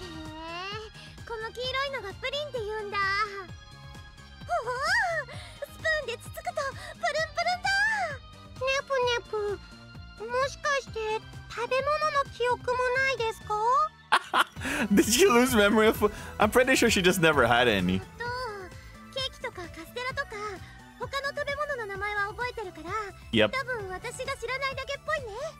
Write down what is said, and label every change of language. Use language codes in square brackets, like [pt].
[ja] へえ、この黄色いのがプリンって言うんだ。ほほー、スプーンでつつくとプルンプルンだ。ネプネプ、もしかして食べ物の記憶もないですか？ [en] Did she lose memory of food? I'm pretty sure she just never had any. [ja] Cake とかカステラとか他の食べ物の名前は覚えてるから、 [en] yep. [ja] 多分私が知らないだけっぽいね。